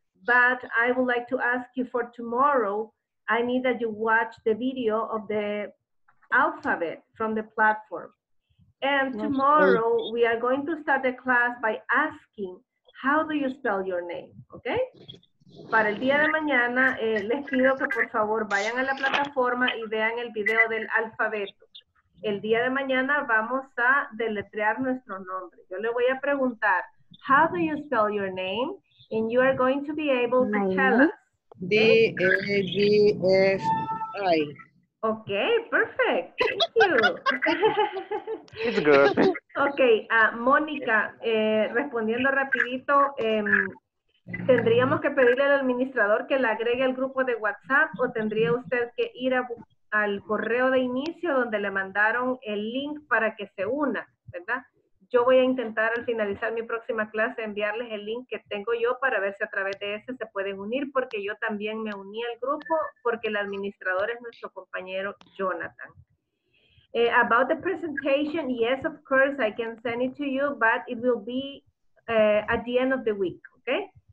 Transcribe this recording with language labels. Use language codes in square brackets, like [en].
[en] But I would like to ask you for tomorrow. I need that you watch the video of the alphabet from the platform. And tomorrow we are going to start the class by asking, how do you spell your name? Okay? [es] Para el día de mañana, les pido que por favor vayan a la plataforma y vean el video del alfabeto. El día de mañana vamos a deletrear nuestro nombre. Yo le voy a preguntar, [en] how do you spell your name? And you are going to be able to tell us. D-A-D-F-I. Okay, perfect. Thank you. It's good. [es] Okay, Mónica, respondiendo rapidito, ¿tendríamos que pedirle al administrador que le agregue al grupo de WhatsApp o tendría usted que ir al correo de inicio donde le mandaron el link para que se una, ¿verdad? Yo voy a intentar al finalizar mi próxima clase enviarles el link que tengo yo para ver si a través de ese se pueden unir, porque yo también me uní al grupo porque el administrador es nuestro compañero Jonathan. [en] About the presentation, yes, of course, I can send it to you, but it will be at the end of the week, okay?